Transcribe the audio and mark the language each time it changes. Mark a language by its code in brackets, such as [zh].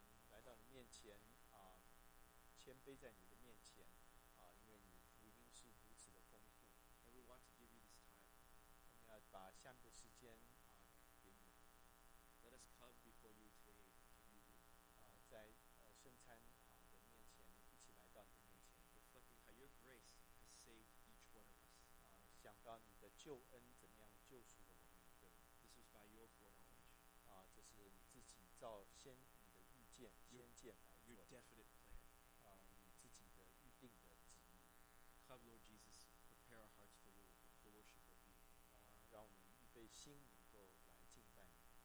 [zh] 来到你面前谦卑在你的面前因为你福音是如此的丰富。 [en] And we want to give you this time. [zh] 我们要把下面的时间给你。 [en] Let us come before you today to communion. [zh] 在圣餐的面前一起来到你的面前。 [en] Reflecting how your grace has saved each one of us. [zh] 想到你的救恩怎么样救赎了我们的。 [en] This is by your foreknowledge. [zh] 这是你自己造先。 [en] Your definite plan. [zh] 你自己的预定的旨意。 [en] Come, Lord Jesus, prepare our hearts for you, for worship of you. [zh] 让我们预备心能够来敬拜你。